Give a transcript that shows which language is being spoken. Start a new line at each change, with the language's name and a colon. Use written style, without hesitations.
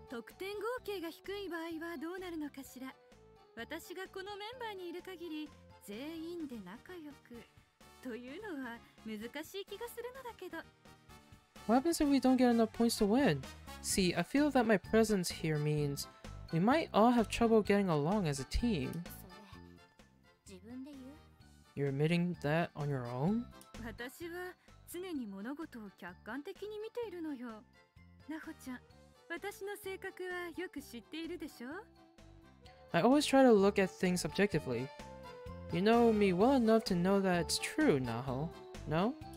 Japanese: 得点合計が低い場合はどうなるのかしら?私がこのメンバーにいる限り、全員で仲良く。というのは難しい気がするのだけど。
English: What happens if we don't get enough points to win? See, I feel that my presence here means we might all have trouble getting along as a team.
Japanese: それ、自分で言う?
English: You're admitting that on your own?
Japanese: 私は常に物事を客観的に見ているのよ。ナホちゃん、私の性格はよく知っているでしょ?
English: I always try to look at things objectively. You know me well enough to know that it's true, Naho. No?